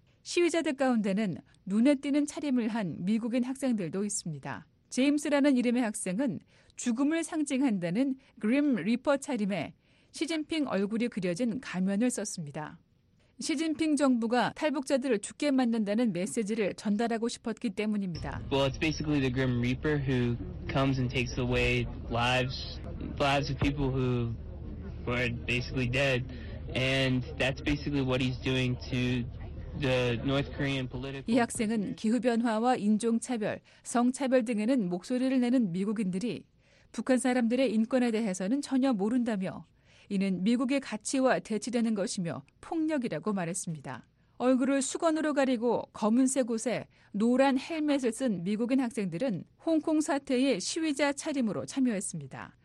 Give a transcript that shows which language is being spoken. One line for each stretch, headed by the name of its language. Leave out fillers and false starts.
Korean: 시위자들 가운데는 눈에 띄는 차림을 한 미국인 학생들도 있습니다. 제임스라는 이름의 학생은 죽음을 상징한다는 그림 리퍼 차림에 시진핑 얼굴이 그려진 가면을 썼습니다. 시진핑 정부가 탈북자들을 죽게 만든다는 메시지를 전달하고 싶었기 때문입니다.
English: Well, it's basically the Grim Reaper who comes and takes away lives of people who were basically dead. And that's basically what he's doing to the North Korean political.
Korean: 이 학생은 기후 변화와 인종 차별, 성 차별 등에는 목소리를 내는 미국인들이 북한 사람들의 인권에 대해서는 전혀 모른다며 이는 미국의 가치와 대치되는 것이며 폭력이라고 말했습니다. 얼굴을 수건으로 가리고 검은색 옷에 노란 헬멧을 쓴 미국인 학생들은 홍콩 사태의 시위자 차림으로 참여했습니다.